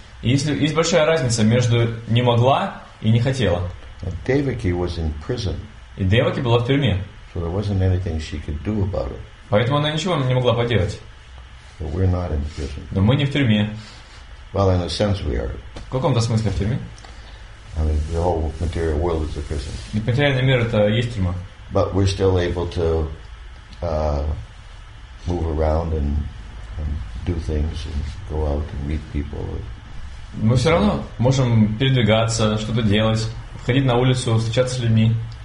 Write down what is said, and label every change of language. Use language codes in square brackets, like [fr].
[ru] Есть большая разница между не могла и не хотела. [en] Devaki was in prison. [ru] И Деваки была в тюрьме. [en] So there wasn't anything she could do about it. [ru] Поэтому она ничего не могла поделать. [en] But we're not in prison. [ru] Но мы не в тюрьме. [en] Well, in a sense we are. [ru] В каком-то смысле в тюрьме? [en] I mean, the whole material world is a prison. [ru] Материальный мир — это есть тюрьма. [en] But we're still able to move around and do things and go out and meet people. [ru] Мы все равно можем передвигаться, что-то делать, входить на улицу, встречаться с людьми.